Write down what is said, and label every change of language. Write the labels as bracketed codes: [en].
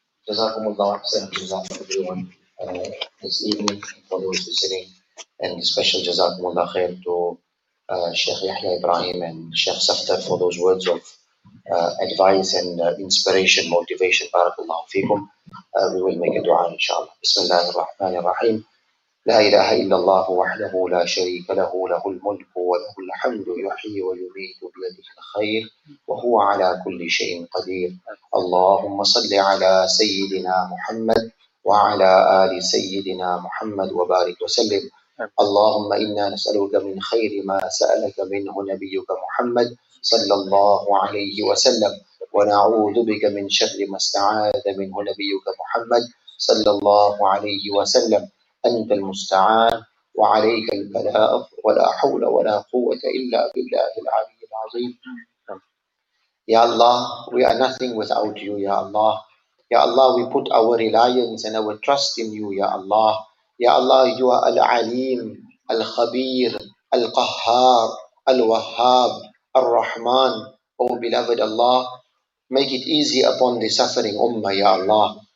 [en] JazakumAllah khairan, JazakAllah everyone this evening for those who are sitting, and special JazakumAllah khair to Sheikh Yahya Ibrahim and Sheikh Safdar for those words of advice and inspiration, motivation. Barakallahu feekum. We will make a dua inshallah. [ar] Bismillah ar-Rahman ar-Rahim. لا إله إلا الله وحده لا شريك له له الملك وله الحمد يحيي ويميت بيده الخير وهو على كل شيء قدير. اللهم صل على سيدنا محمد وعلى آل سيدنا محمد وبارك وسلم. اللهم إنا نسألك من خير ما سألك منه نبيك محمد صلى الله عليه وسلم، ونعوذ بك من شر ما استعاذ منه نبيك محمد صلى الله عليه وسلم. أنت المستعان وعليك البلاء، ولا حول ولا قوة إلا بالله العلي العظيم. [en] Ya Allah, we are nothing without you, Ya Allah. Ya Allah, we put our reliance and our trust in you, Ya Allah. Ya Allah, you are Al-Alim, Al-Khabir, Al-Qahhar, Al-Wahhab, Al-Rahman. Oh beloved Allah, make it easy upon the suffering Ummah, Ya Allah.